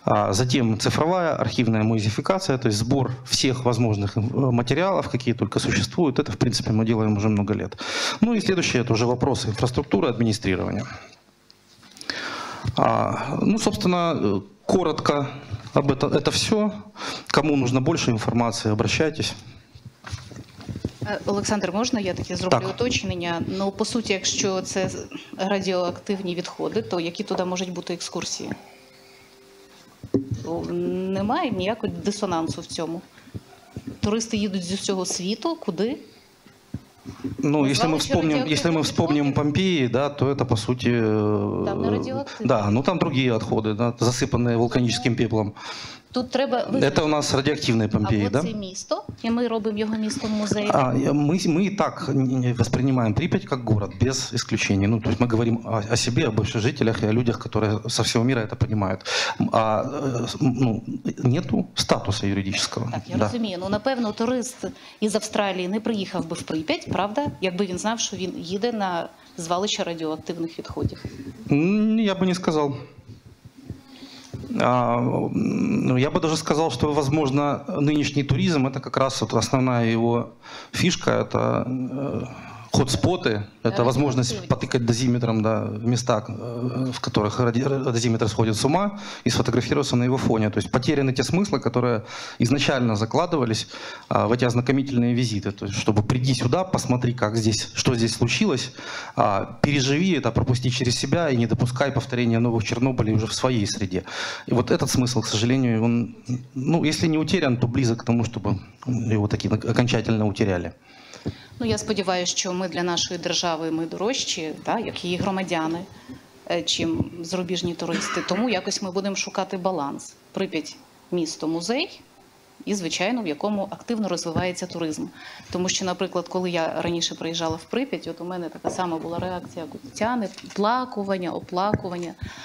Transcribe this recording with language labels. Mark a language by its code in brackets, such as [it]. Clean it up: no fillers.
[ru] Затем цифровая архивная музеификация, то есть сбор всех возможных материалов, какие только существуют. Это, в принципе, мы делаем уже много лет. Ну и следующее, это уже вопросы инфраструктуры, администрирования. Ну, собственно, коротко об этом, это все. Кому нужно больше информации, обращайтесь. [uk] Олександр, можна я таке зроблю так. Уточнення? Ну, по суті, якщо це радіоактивні відходи, то які туди можуть бути екскурсії? Немає ніякого дисонансу в цьому. Туристи їдуть з усього світу, куди? [ru] Ну, если мы вспомним Помпеи, да, то это по сути. Там не радиоактивные. Да, ну там другие отходы, да, засыпанные вулканическим пеплом. [uk] Тут треба. [ru] Это у нас радиоактивные Помпеи, а да? [uk] Це місто, і ми робимо його містом музеєм. [ru] Мы и так воспринимаем Припять как город, без исключений. Ну, то есть мы говорим о себе, о бывших жителях и о людях, которые со всего мира это понимают. А ну, нету статуса юридического. [uk] Так, я розумію. Ну, напевно, турист із Австралії не приїхав би в Припять, правда? Якби він знав, що він їде на звалище радіоактивних відходів. Я би не сказав. [ru] Я бы даже сказал, что, возможно, нынешний туризм, это как раз вот основная его фишка, это хотспоты, это возможность потыкать дозиметром, да, в места, в которых дозиметр сходит с ума, и сфотографироваться на его фоне. То есть потеряны те смыслы, которые изначально закладывались в эти ознакомительные визиты. То есть, чтобы приди сюда, посмотри, как здесь, что здесь случилось, переживи это, пропусти через себя и не допускай повторения новых Чернобылей уже в своей среде. И вот этот смысл, к сожалению, он, ну, если не утерян, то близок к тому, чтобы его таки окончательно утеряли. [uk] Ну, я сподіваюся, що ми для нашої держави, ми дорожчі, так, як її громадяни, чим зарубіжні туристи. Тому якось ми будемо шукати баланс. Припять – місто-музей і, звичайно, в якому активно розвивається туризм. Тому що, наприклад, коли я раніше приїжджала в Припять, от у мене така сама була реакція, як у Тетяни, плакування, оплакування.